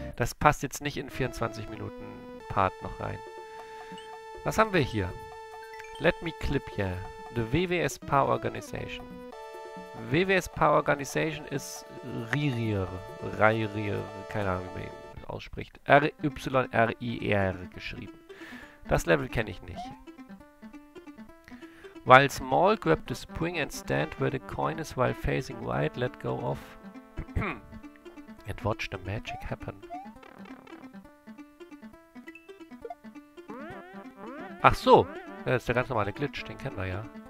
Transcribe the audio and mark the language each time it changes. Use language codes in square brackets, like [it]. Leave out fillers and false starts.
[de] Das passt jetzt nicht in 24 Minuten Part noch rein. Was haben wir hier? [en] Let me clip here. [de] The WWS Power Organization. WWS Power Organization ist Rairir. Keine Ahnung, wie man ihn ausspricht. R-Y-R-I-R geschrieben. Das Level kenne ich nicht. [en] While small, grab the spring and stand where the coin is while facing right, let go of and watch the magic happen. [de] Ach so, das ist der ganz normale Glitch, den kennen wir ja.